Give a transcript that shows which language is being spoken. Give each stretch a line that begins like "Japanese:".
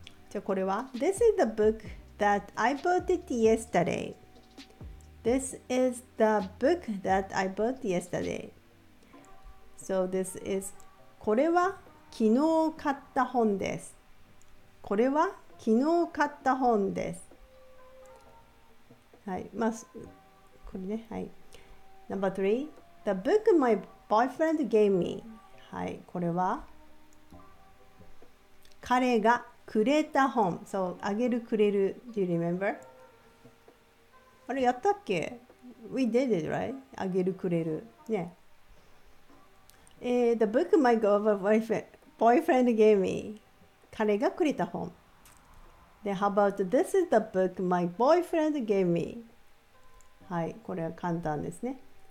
Japanese: じゃあこれは
English: This is the book that I bought it yesterday. This is the book that I bought yesterday. So this is...
Japanese: これは昨日買った本です。これは昨日買った本です。はい、まあ、これね、はい。
English: Number three, the book my boyfriend gave me.
Japanese: はい、これは彼がくれた本。
English: So,
Japanese: あげるくれる。
English: Do you remember?
Japanese: あれやったっけ
English: ?We did it, right?
Japanese: あげるくれる。ね。
English: The book my boyfriend gave me.
Japanese: 彼がくれた本。
English: Then how about this is the book my boyfriend gave me?
Japanese: はい、これは簡単ですね。